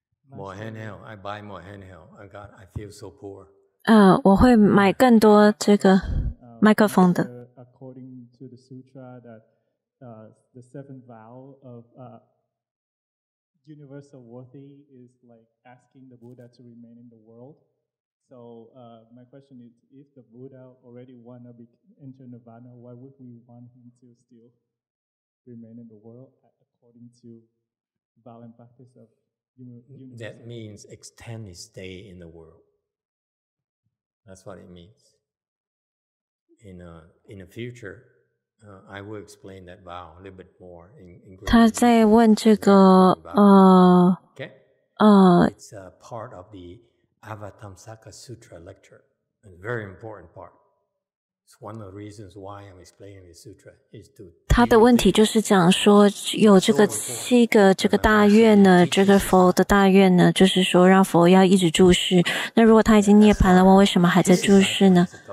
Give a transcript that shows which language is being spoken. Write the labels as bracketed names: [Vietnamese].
[English] More handheld. I buy more handheld. I got. I feel so poor. [Chinese] 我会买更多这个麦克风的。 [English] According to the sutra, that the seventh vow of universal worthy is like asking the Buddha to remain in the world. So my question is, if the Buddha already wanna enter Nirvana, why would we want him to still remain in the world according to violent practice of universal? That means extend his stay in the world. That's what it means. In the future, I will explain that vow a little bit more in greater detail. [Chinese] 他在问这个, [English] it's a part of the Avatamsaka Sutra lecture, a very important part. It's one of the reasons why I'm explaining this sutra is to. [Chinese] 他的问题就是讲说有这个七个这个大愿呢，这个佛的大愿呢，就是说让佛要一直住世。那如果他已经涅槃了，为什么还在住世呢？